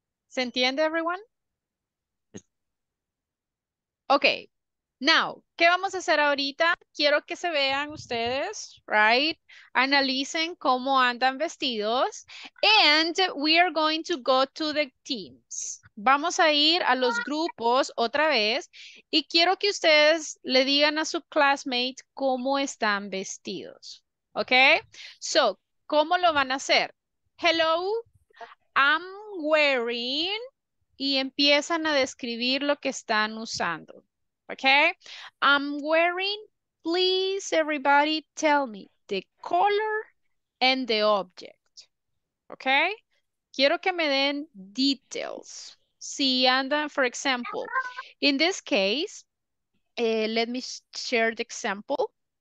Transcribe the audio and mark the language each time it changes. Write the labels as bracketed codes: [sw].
[es] ¿Se entiende, [en] everyone? Okay, now, [es] ¿qué vamos a hacer ahorita? Quiero que se vean ustedes, [en] right? [es] Analicen cómo andan vestidos. [en] And we are going to go to the teams. [es] Vamos a ir a los grupos otra vez. Y quiero que ustedes le digan a su classmate cómo están vestidos. Okay? So, ¿cómo lo van a hacer? [en] Hello, I'm wearing. [es] Y empiezan a describir lo que están usando. [en] Okay, I'm wearing, please everybody tell me the color and the object. [es] Okay, quiero que me den details. Si andan, [en] for example, in this case, let me share the example.